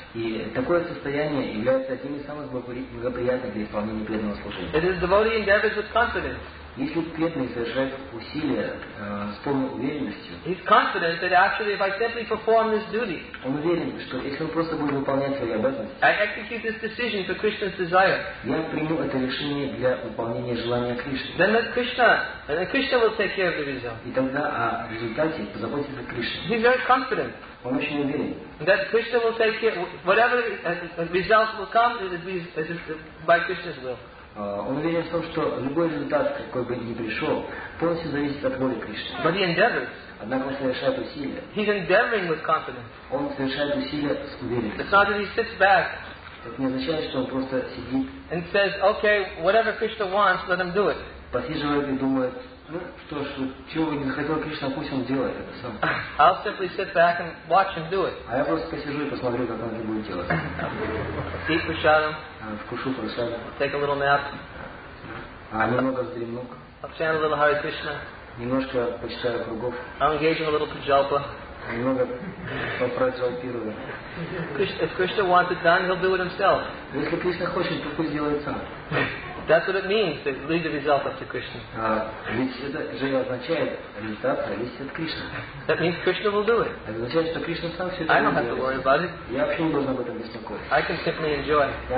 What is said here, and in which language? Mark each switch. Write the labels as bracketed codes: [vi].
[ru] И такое состояние является одним из самых благоприятных для исполнения преданного служения. [en] It is devotee endeavors with confidence. [ru] Если преданный совершает усилия с полной уверенностью, [en] he's confident that actually if I simply perform this duty, [ru] он уверен, что если он просто будет выполнять свои обязанности, [en] I execute this decision for Krishna's desire, [ru] я приму это решение для выполнения желания Кришны. [en] Then Krishna will take care of the result. [ru] И тогда о результате позаботится Кришна. [en] He's very confident. [ru] Он очень уверен. [en] That Krishna will take care, whatever results will come, it will be by Krishna's will. [ru] Он уверен в том, что любой результат, какой бы ни пришел, полностью зависит от воли Кришны. [en] But he endeavors. [ru] Однако он совершает усилия. [en] He's endeavoring with confidence. [ru] Он совершает усилия с уверенностью. [en] It's not that he sits back. [ru] Это не означает, что он просто сидит. [en] And says, okay, whatever Krishna wants, let him do it. [ru] Посиживает и думает, ну что ж, чего бы не захотел Кришна, пусть он делает это сам. [en] I'll simply sit back and watch him do it. [ru] А я просто посижу и посмотрю, как он это будет делать. Сидит прошадом. Вкушу прошадом. [en] Take a little nap. [ru] Немного вздремну. [en] I'll chant a little Hare Krishna. [ru] Немножко почитаю кругов. [en] I'll engage in a little pujalpa. [ru] Немного попраджалпирую. [en] If Krishna wants it done, he'll do it himself. [ru] Если Кришна хочет, то пусть делает сам. [en] That's what it means to leave the result up to Krishna. That means Krishna will do it. I don't have to worry about it. I can simply enjoy.